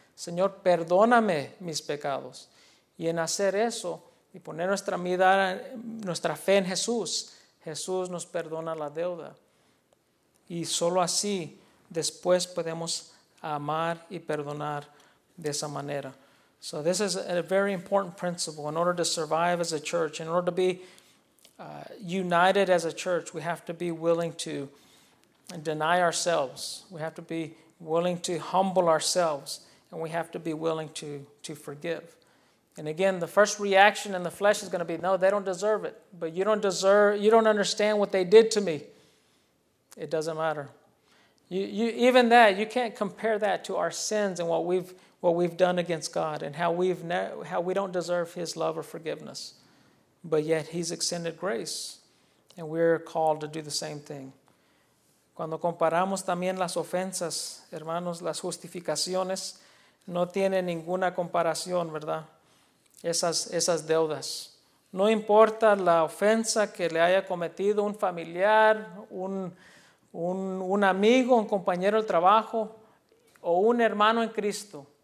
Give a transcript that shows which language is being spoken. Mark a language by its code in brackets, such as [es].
[es] Señor, perdóname mis pecados. Y en hacer eso, y poner nuestra fe en Jesús. Jesús nos perdona la deuda. Y solo así después podemos amar y perdonar de esa manera. [en] So this is a very important principle. In order to survive as a church, in order to be united as a church, we have to be willing to deny ourselves. We have to be willing to humble ourselves. And we have to be willing to forgive. And again, the first reaction in the flesh is going to be, no, they don't deserve it. But you don't deserve, you don't understand what they did to me. It doesn't matter. You can't compare that to our sins and what we've done against God and how we don't deserve his love or forgiveness. But yet he's extended grace and we're called to do the same thing. [es] Cuando comparamos también las ofensas, hermanos, las justificaciones no tienen ninguna comparación, ¿verdad? Esas deudas. No importa la ofensa que le haya cometido un familiar, un amigo, un compañero del trabajo o un hermano en Cristo.